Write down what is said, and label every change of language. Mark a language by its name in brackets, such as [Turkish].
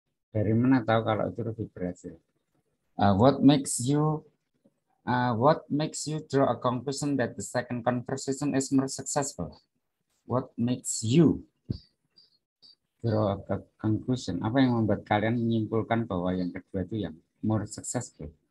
[Indonesian] Dari mana tahu kalau itu lebih berhasil? [English] What makes you draw a conclusion that the second conversation is more successful? what makes you draw a conclusion? [Indonesian] Apa yang membuat kalian menyimpulkan bahwa yang kedua itu yang [English] more successful?